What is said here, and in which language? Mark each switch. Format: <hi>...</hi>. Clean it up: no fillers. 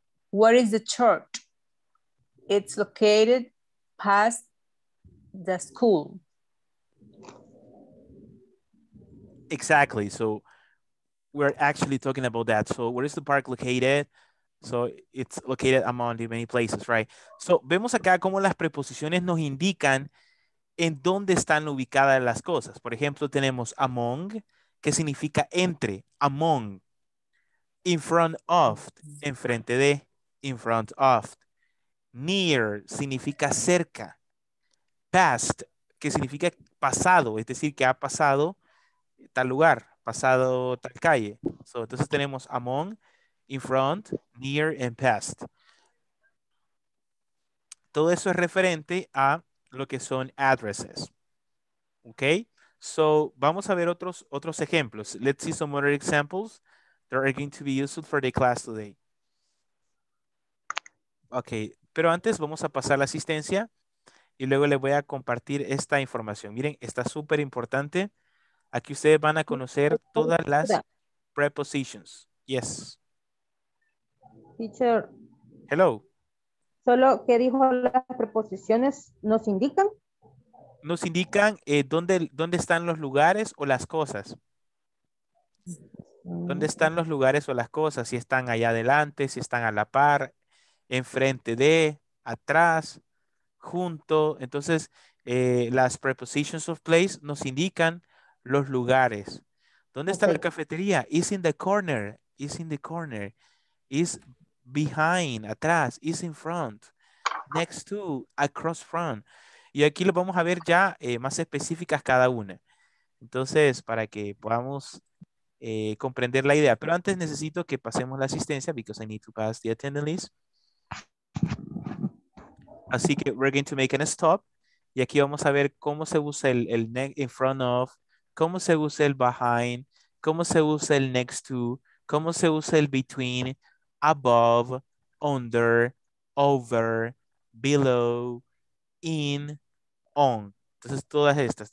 <en>Where is the church? It's located past the school. Exactly. So we're actually talking about that. So where is the park located? So it's located among the many places, right?</en> <es>So vemos acá cómo las preposiciones nos indican en dónde están ubicadas las cosas. Por ejemplo, tenemos among, que significa entre, among.</es> <en>In front of, en frente de, in front of.</en> <es>Near significa cerca. Past, que significa pasado, es decir, que ha pasado tal lugar, pasado tal calle. So, entonces tenemos among, in front, near, and past. Todo eso es referente a lo que son addresses. Ok. So, vamos a ver otros ejemplos.</es> <en>Let's see some other examples that are going to be useful for the class today. Ok.</en> <es>Pero antes vamos a pasar la asistencia y luego les voy a compartir esta información. Miren, está súper importante. Aquí ustedes van a conocer todas las prepositions.</es> <en>Yes. Teacher. Hello.</en> <es>Solo, ¿qué dijo? Las preposiciones nos indican. Nos indican dónde están los lugares o las cosas. ¿Dónde están los lugares o las cosas? Si están allá adelante, si están a la par, enfrente de, atrás, junto. Entonces, las prepositions of place nos indican los lugares. ¿Dónde está la cafetería?</es> <en>It's in the corner. It's in the corner. It's behind, atrás, is in front, next to, across front.</en> <es>Y aquí lo vamos a ver ya más específicas cada una. Entonces, para que podamos comprender la idea. Pero antes necesito que pasemos la asistencia</es> <en>because I need to pass the attendance list.</en> <es>Así que</es> <en>we're going to make a stop.</en> <es>Y aquí vamos a ver cómo se usa el in front of, cómo se usa el behind, cómo se usa el next to, cómo se usa el between, above, under, over, below, in, on. Entonces, todas estas.</es>